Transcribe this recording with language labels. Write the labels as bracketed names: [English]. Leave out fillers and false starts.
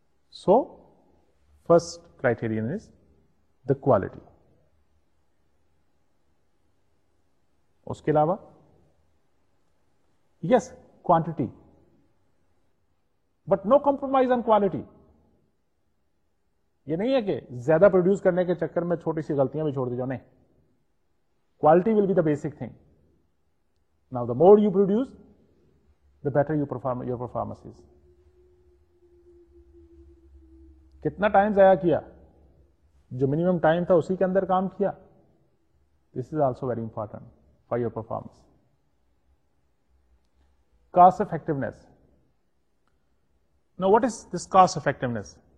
[English] So first criterion is the quality. [Urdu] Uske alawa, [English] yes, quantity, but no compromise on quality. [Urdu] یہ نہیں ہے کہ زیادہ پروڈیوس کرنے کے چکر میں چھوٹی سی غلطیاں بھی چھوڑ دی جانے. [English] Quality will be the basic thing. Now the more you produce, the better you perform, your performance is. [Urdu] کتنا ٹائم ضائع کیا, جو منیمم ٹائم تھا اسی کے اندر کام کیا, [English] this is also very important for your performance. Cost effectiveness. Now what is this cost effectiveness?